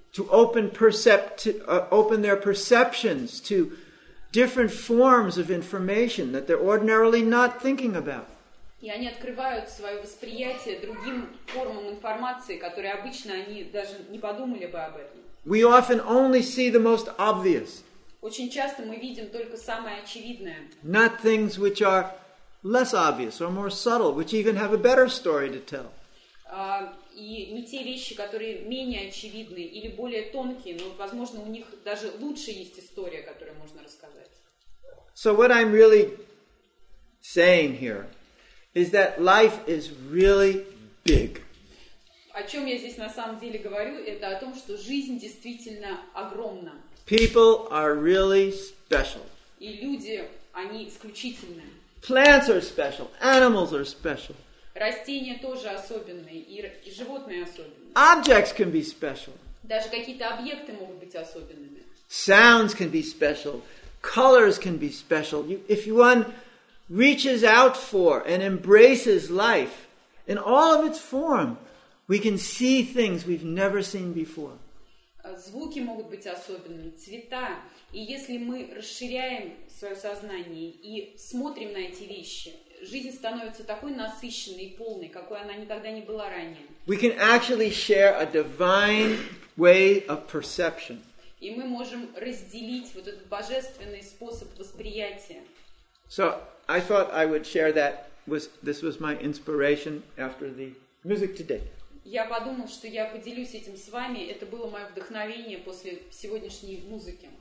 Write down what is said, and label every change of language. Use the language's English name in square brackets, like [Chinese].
[English] To open open their perceptions to different forms of information that they're ordinarily not thinking about. [Russian] И они открывают свое восприятие другим формам информации, которые обычно они даже не подумали бы об этом. [English] We often only see the most obvious. [Russian] Очень часто мы видим только самое очевидное. [English] Not things which are less obvious or more subtle, which even have a better story to tell. [Russian] И не те вещи, которые менее очевидны или более тонкие, но, возможно, у них даже лучше есть история, которую можно рассказать. [English] So what I'm really saying here is that life is really big. [Russian] О чем я здесь на самом деле говорю, это о том, что жизнь действительно огромна. [English] People are really special. [Russian] И люди, они исключительны. [English] Plants are special, animals are special. [Russian] Растения тоже особенные, и животные особенные. [English] Objects can be special. [Russian] Даже какие-то объекты могут быть особенными. [English] Sounds can be special. Colors can be special. If one reaches out for and embraces life in all of its form, we can see things we've never seen before. [Russian] Звуки могут быть особенными, цвета. И если мы расширяем свое сознание и смотрим на эти вещи, жизнь становится такой насыщенной и полной, какой она никогда не была ранее. [English] We can actually share a divine way of perception. [Russian] И мы можем разделить вот этот божественный способ восприятия. [English] So I thought I would share that. This was my inspiration after the music today. [Russian] я подумал, что я поделюсь этим с вами. Это было мое вдохновение после сегодняшней музыки.